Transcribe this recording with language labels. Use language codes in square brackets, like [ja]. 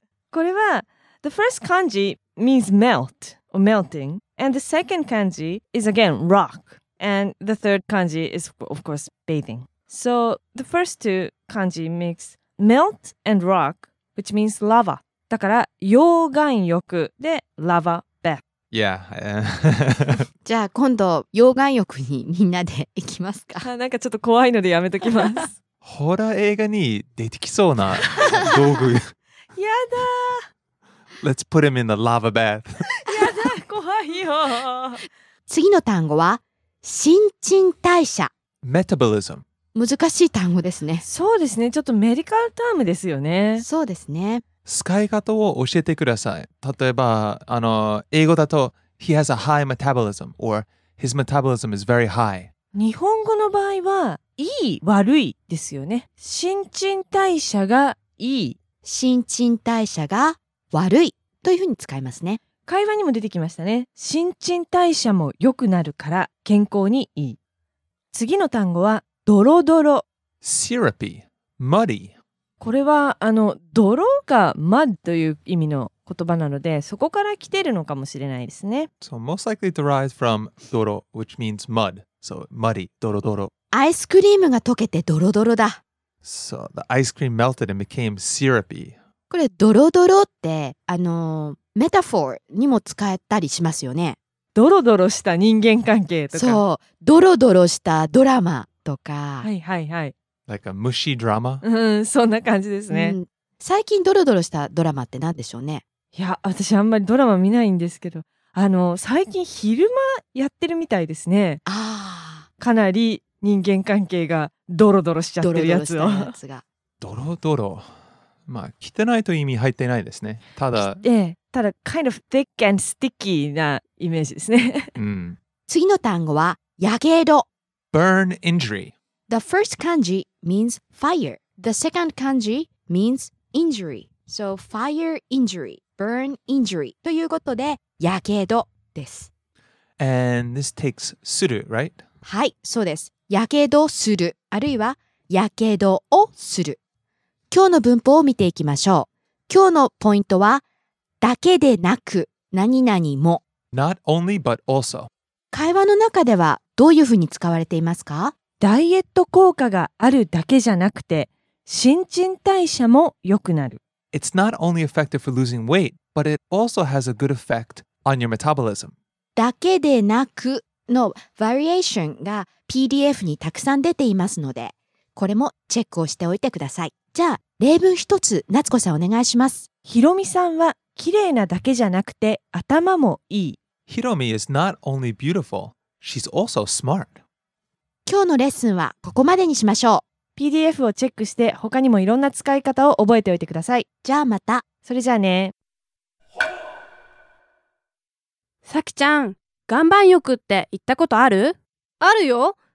[ja] これは、 [en] the first kanji means melt, or melting, and the second kanji is again rock, and the third kanji is, of course, bathing. So, the first two kanji mix melt and rock, which means lava. [ja] だから、溶岩浴で lava. [en] Yeah. [ja] じゃあ今度溶岩浴にみんなで行きますか。なんかちょっと怖いのでやめときます。ホラー映画に出てきそうな道具。やだ。 [en] Let's put him in the lava bath. [ja] やだ、怖いよ。次の単語は新陳代謝。 [en] Metabolism。 [ja] 難しい単語ですね。そうですね、ちょっとメディカルタームですよね。そうですね。使い方を教えてください。例えば、英語だと、 [en] He has a high metabolism, or his metabolism is very high. [ja] 日本語の場合は、いい、悪いですよね。新陳代謝がいい。新陳代謝が悪い。というふうに使いますね。会話にも出てきましたね。新陳代謝も良くなるから、健康にいい。次の単語は、ドロドロ。 [en] Syrupy. Muddy. [ja] これは泥が mud という意味の言葉なので、そこから来てるのかもしれないですね。 [en] So most likely derived from 泥, which means mud. So muddy, 泥泥。 [ja] アイスクリームが溶けて泥泥だ。 [en] So the ice cream melted and became syrupy. [ja] これ泥泥ってメタフォーにも使えたりしますよね。ドロドロした人間関係とか。そう、ドロドロしたドラマとか。はいはいはい。 [en] Like a mushy drama? [ja] うん、そんな感じですね、うん。最近ドロドロしたドラマって何でしょうね。いや、私あんまりドラマ見ないんですけど、あの、最近昼間やってるみたいですね。ああ。かなり人間関係がドロドロしちゃってるやつを。ドロドロしたやつが。ドロドロ。まあ、汚いという意味入ってないですね。ただ。ええ。ただ、 [en] kind of thick and sticky [ja] なイメージですね。次の単語は、やけど。 [en] Burn injury. The first kanji means fire. The second kanji means injury. So, fire injury. Burn injury. [ja] ということで、やけどです。 [en] And this takes する, right? [ja] はい、そうです。やけどする。あるいは、やけどをする。今日の文法を見ていきましょう。今日のポイントは、だけでなく、何々も。 [en] Not only, but also. [ja] 会話の中ではどういうふうに使われていますか？ダイエット効果があるだけじゃなくて、新陳代謝も良くなる。 [en] It's not only effective for losing weight, but it also has a good effect on your metabolism. [ja] だけでなくのバリエーションが PDF にたくさん出ていますので、これもチェックをしておいてください。じゃあ、例文一つ、夏子さんお願いします。ひろみさんは、綺麗なだけじゃなくて頭もいい。 [en] ヒロミ is not only beautiful, she's also smart. [ja] 今日のレッスンはここまでにしましょう。 PDF をチェックして他にもいろんな使い方を覚えておいてください。じゃあまた。それじゃあね。さきちゃん、岩盤浴って行ったことある？あるよ。